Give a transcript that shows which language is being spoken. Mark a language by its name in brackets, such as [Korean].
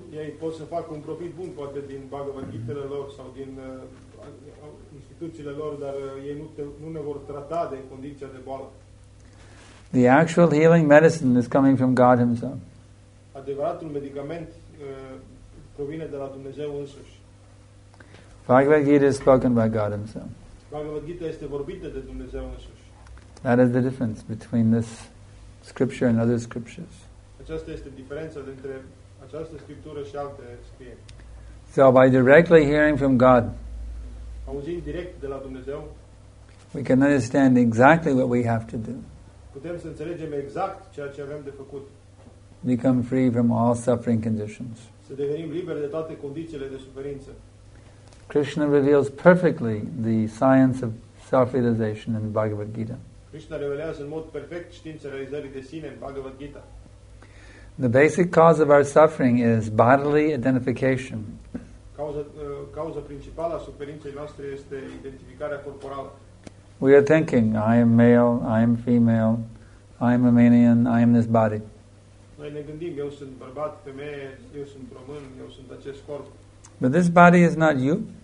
[Romanian] Ei pot să facă un profit bun poate din Bhagavad Gita-le lor sau din instituțiile lor, dar ei nu ne vor trata de condiția de boală. [English] The actual healing medicine is coming from God himself. [Romanian] Adevăratul medicament provine de la Dumnezeu însuși. [English] Bhagavad Gita is spoken by God himself. [Romanian] Bhagavad Gita este vorbită de Dumnezeu însuși. [English] That is the difference between this scripture and other scriptures. [Romanian] Aceasta este diferența dintre această scriptură și alte scrieri. [English] So by directly hearing from God, [Romanian] auzind direct de la Dumnezeu, [English] we can understand exactly what we have to do. [Romanian] Putem să înțelegem exact ceea ce avem de făcut. [English] Become free from all suffering conditions. [Romanian] Să devenim liberi de toate condițiile de suferință. [English] Krishna reveals perfectly the science of self-realization in Bhagavad Gita. [Romanian] Krishna revelează în mod perfect știința realizării de sine în Bhagavad Gita. [English] The basic cause of our suffering is bodily identification. [Romanian] cauza principală a suferinței noastre este identificarea corporală. [English] We are thinking, I am male, I am female, I am Romanian, I am this body. [Romanian] Noi ne gândim, eu sunt bărbat, femeie, eu sunt român, eu sunt acest corp. [English] But this body is not you.